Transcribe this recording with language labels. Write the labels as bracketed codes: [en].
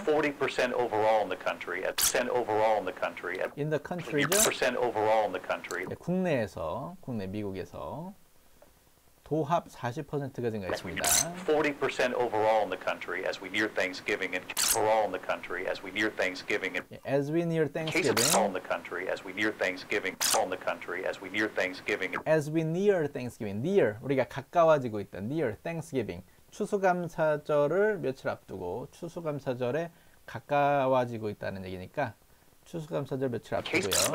[en] 40% overall in the country at 10% overall in the country at in the country 40% overall in the country [ko] 예, 국내 미국에서 도합 40%가 증가했습니다. [en] 40% overall in the country as we near Thanksgiving and overall in the country as we near Thanksgiving and as we near Thanksgiving in the country as we near Thanksgiving in the country as we near Thanksgiving as we near Thanksgiving near [ko] 우리가 가까워지고 있다. [en] near Thanksgiving [ko] 추수감사절을 며칠 앞두고 추수감사절에 가까워지고 있다는 얘기니까 추수감사절 며칠 앞두고요.